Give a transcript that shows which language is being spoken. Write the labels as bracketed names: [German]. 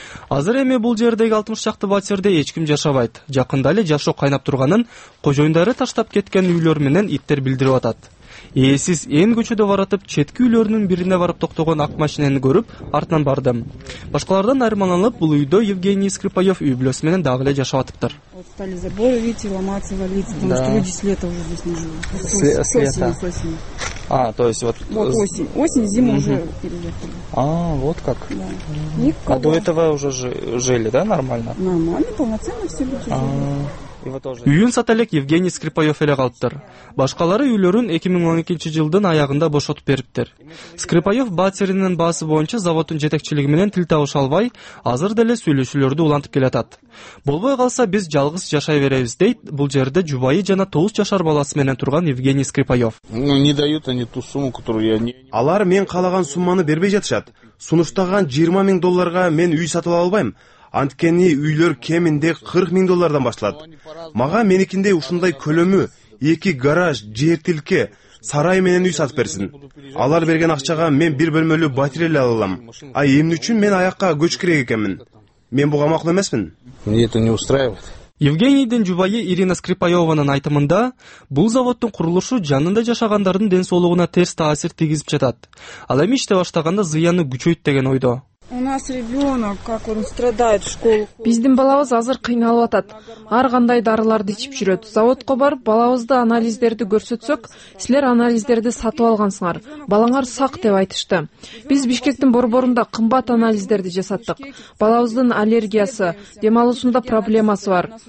[Kyrgyz] Азыр эми бул жердеги 60 чакты батирде эч ким жашабайт. Жакында эле жашоо кайнап турганын кожоюндары таштап кеткен үйлөр менен иттер билдирип атат. Ээсиз эн көчөдө баратып четки үйлөрүнүн бирине барып токтогон ак машинени көрүп артынан бардым. Башкалардан айырмаланып бул үйдө Евгений Скрипаев үй бүлөсү менен дагы эле жашап атыптыр. [Russian] Стали забор видите, ломаться, валиться, потому что люди с лета уже здесь не живут. С осени. А, то есть вот... Вот осень, зима уже переехали. А, вот как? Да. Никуда. А до этого уже жили, да, нормально? Нормально, полноценно все люди живут. [Kyrgyz] Үйүн сата элек Евгений Скрипаев эле калыптыр. Башкалары үйлөрүн 2012 жылдын аягында бошотуп бериптир. Скрипаев батиринин баасы боюнча заводдун жетекчилиги менен тил табыша албай, азыр деле сүйлөшүүлөрдү улантып келатат. Болбой калса биз жалгыз жашай беребиз, дейт бул жерде жубайы жана 9 жашар баласы менен турган Евгений Скрипаев. [Russian] Не дают они ту сумму, которую я не... [Kyrgyz] Алар мен каалаган сумманы бербей жатышат. Сунуштаган 20,000 долларга мен үй сатып ала албайм. Анткени үйлөр кеминде 40,000 доллардан башталат. Мага меникиндей ушундай көлөмү 2 гараж, жер тилке, сарай менен үй сатып берсин. Алар берген акчага мен бир бөлмөлүү батирель ала алам. А эмне үчүн мен аякка көч керек экенмин? Мен буга макул эмесмин. [Russian] Мне это не устраивает. [Kyrgyz] Евгенийдин жубайы Ирина Скрипаеванын айтымында, бул заводдун курулушу жанында жашагандардын ден соолугуна терс таасир тийгизип жатат. Ал эми иште баштаганда зыяны күчөйт деген ойдо. [Russian] У нас ребенок, как он страдает в школу. [Kyrgyz] Биздин балабыз азыр кыйналып атат. Ар кандай дарыларды ичип жүрөт. Заводко барып, балабызды анализдерди көрсөтсөк, силер анализдерди сатып алгансыңар. Балаңар сак деп айтышты. Биз Бишкектин борборунда кымбат анализдерди жасаттык. Балабыздын аллергиясы, дем алуусунда проблемасы бар.